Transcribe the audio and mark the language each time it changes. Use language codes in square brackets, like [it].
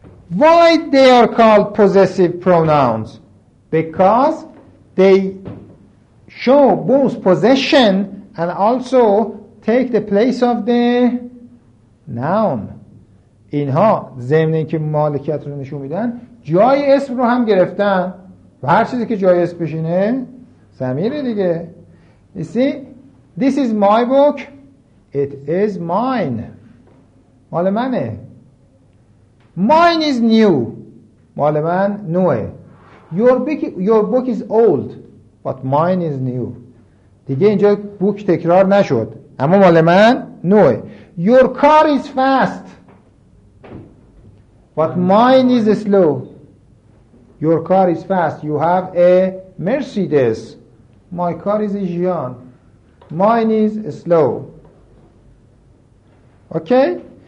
[en] Why they are called possessive pronouns? Because they show both possession and also take the place of the noun. [fa] اینها ضمن اینکه مالکیت رو نشون میدن جای اسم رو هم گرفتن و هر چیزی که جای اسم بشینه ضمیره دیگه. [en] You see, this is my book, it is mine. [fa] مال منه. [en] Mine is new. [fa] مال من نوه. [en] Your book is old, but mine is new. [fa] دیگه اینجا بوک تکرار نشد. اما مال من نوه. [en] Your car is fast, but mine is slow. Your car is fast. You have a Mercedes. My car is a Gian. Mine is slow. Okay?